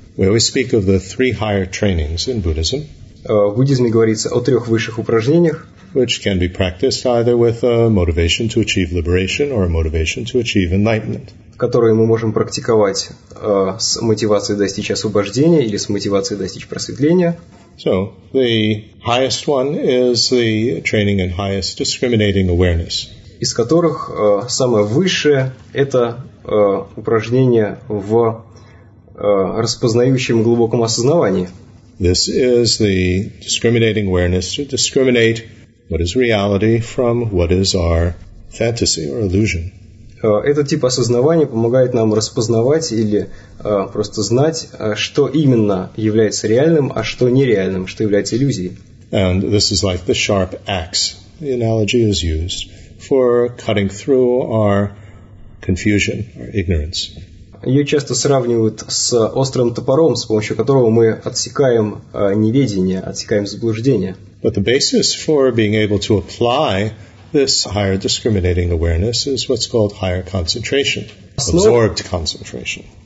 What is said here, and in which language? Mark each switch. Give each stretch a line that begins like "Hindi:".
English: We always speak of the three higher trainings in Buddhism.
Russian: В буддизме говорится о трех высших упражнениях,
English: which can be practiced either with a motivation to achieve liberation or a motivation to achieve enlightenment.
Russian: Которые мы можем практиковать с мотивацией достичь освобождения или с мотивацией достичь просветления.
English: So, the highest one is the training in highest discriminating awareness.
Russian: Из которых самое высшее – это упражнение в распознающем глубоком осознавании.
English: This is the discriminating awareness to discriminate what is reality from what is our fantasy or illusion.
Russian: Этот тип осознавания помогает нам распознавать или просто знать, что именно является реальным, а что нереальным, что является иллюзией.
English: And this is like the sharp axe. The analogy is used for cutting through our confusion, our ignorance.
Russian: Ее часто сравнивают с острым топором, с помощью которого мы отсекаем неведение, отсекаем заблуждение.
English: But the basis for being able to apply this higher discriminating awareness is what's called higher concentration, absorbed concentration.